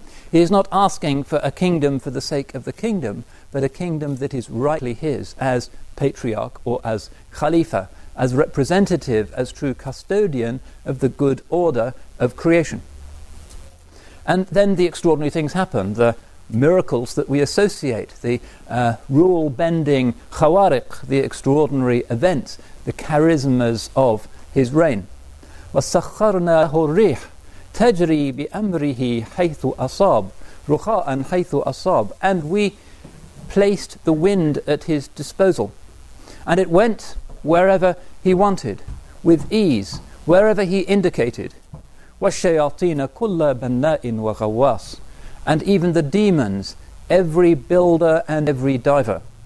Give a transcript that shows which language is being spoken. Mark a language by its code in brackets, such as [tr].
[en] He is not asking for a kingdom for the sake of the kingdom, but a kingdom that is rightly his as patriarch or as khalifa, as representative, as true custodian of the good order of creation. And then the extraordinary things happen, the miracles that we associate, the rule-bending khawariq, the extraordinary events, the charismas of his reign. [ar] وَسَخَّرْنَاهُ الرِّيحِ تَجْرِي بِأَمْرِهِ حَيْثُ أَصَابُ رُخَاءً حَيْثُ أَصَابُ. [en] And we placed the wind at his disposal, and it went wherever he wanted, with ease, wherever he indicated. [ar] وَالشَّيَاطِينَ كُلَّ بَنَّاءٍ وَغَوَّاسٍ. [en] And even the demons, every builder and every diver.